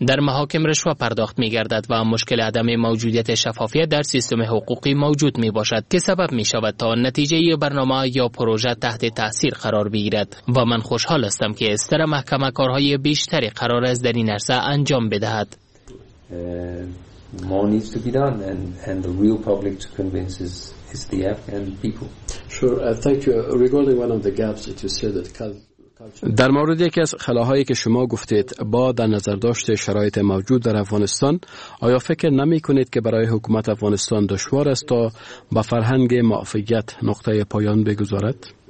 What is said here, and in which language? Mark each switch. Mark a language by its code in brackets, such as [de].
[fa] در محاکم رشوه پرداخت می گردد و مشکل عدم موجودیت شفافیت در سیستم حقوقی موجود می باشد که سبب می شود تا نتیجه ی برنامه یا پروژه تحت تاثیر قرار بگیرد و من خوشحال هستم که استر محکمه کارهای بیشتری قرار است در این عرصه انجام بدهد. [en] More needs to be done and the real public to convince is the Afghan people. Sure, thank you. Regarding one of the gaps that you said that [fa] در مورد یکی از خلاهایی که شما گفتید، با در نظر داشت شرایط موجود در افغانستان، آیا فکر نمی کنید که برای حکومت افغانستان دشوار است تا با فرهنگ معافیت نقطه پایان بگذارد؟